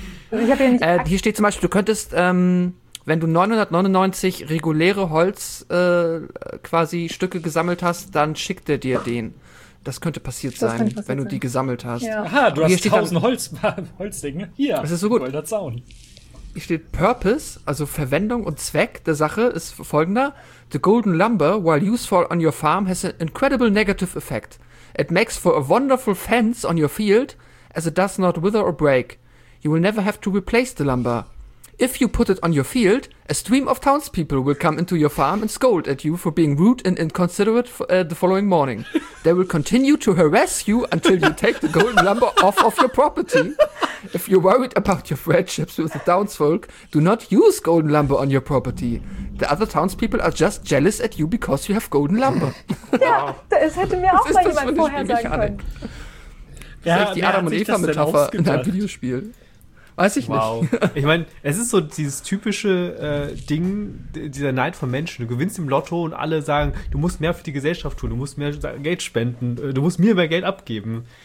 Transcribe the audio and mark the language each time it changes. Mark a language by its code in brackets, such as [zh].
[de] Ich hab hier, hier steht zum Beispiel, du könntest, wenn du 999 reguläre Holz quasi Stücke gesammelt hast, dann schickt er dir den. Das könnte passiert das sein, könnte wenn du sein. Die gesammelt hast. Ja. Aha, du hier hast 1000 Holzdinge. Hier, das ist so gut. Goldener Zaun. Hier steht Purpose, also Verwendung und Zweck der Sache ist folgender. [en] The golden lumber, while useful on your farm, has an incredible negative effect. It makes for a wonderful fence on your field, as it does not wither or break. You will never have to replace the lumber. If you put it on your field, a stream of townspeople will come into your farm and scold at you for being rude and inconsiderate the following morning. They will continue to harass you until you take the golden lumber off of your property. If you're worried about your friendships with the townsfolk, do not use golden lumber on your property. The other townspeople are just jealous at you because you have golden lumber. [de] Ja, es hätte mir auch mal jemand vorher sagen können. Das ist die Adam und Eva Metapher in einem Videospiel. Weiß ich nicht. Ich meine, es ist so dieses typische Ding, dieser Neid von Menschen. Du gewinnst im Lotto und alle sagen, du musst mehr für die Gesellschaft tun, du musst mehr Geld spenden, du musst mir mehr Geld abgeben.